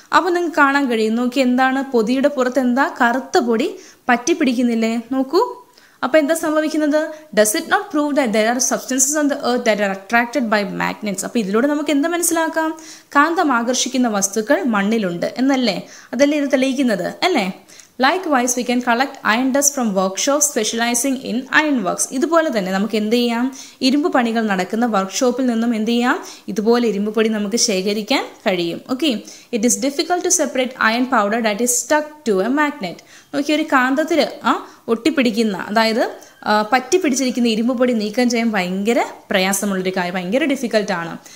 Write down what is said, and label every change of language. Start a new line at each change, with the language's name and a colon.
Malayalam: അപ്പോൾ നിങ്ങൾക്ക് കാണാൻ കഴിയും, നോക്കി എന്താണ് പൊതിയുടെ പുറത്ത് എന്താ കറുത്ത പൊടി പറ്റി പിടിക്കുന്നില്ലേ, നോക്കൂ. അപ്പോൾ എന്താ സംഭവിക്കുന്നത്?
English: Does it not prove that there are substances on the earth that are attracted by magnets?
Malayalam: അപ്പോൾ ഇതിലൂടെ നമുക്ക് എന്താ മനസ്സിലാക്കാം? കാന്തം ആകർഷിക്കുന്ന വസ്തുക്കൾ മണ്ണിലുണ്ട് എന്നല്ലേ, അതല്ലേ ഇത് തെളിയിക്കുന്നത് അല്ലേ.
English: Likewise, we can collect iron dust from workshops specializing in iron works.
Malayalam: ഇതുപോലെ തന്നെ നമുക്ക് എന്ത് ചെയ്യാം? ഇരുമ്പ് പണികൾ നടക്കുന്ന വർക്ക്ഷോപ്പിൽ നിന്നും എന്ത് ചെയ്യാം? ഇതുപോലെ ഇരുമ്പ് പൊടി നമുക്ക് ശേഖരിക്കാൻ കഴിയും.
English: Okay, it is difficult to separate iron powder that is stuck to a magnet.
Malayalam: നോക്കി, ഒരു കാന്തത്തിൽ ഒട്ടിപ്പിടിക്കുന്ന, അതായത് പറ്റി പിടിച്ചിരിക്കുന്ന ഇരുമ്പ് പൊടി നീക്കം ചെയ്യാൻ ഭയങ്കര പ്രയാസമുള്ളൊരു കാര്യം, ഭയങ്കര ഡിഫിക്കൽട്ടാണ്.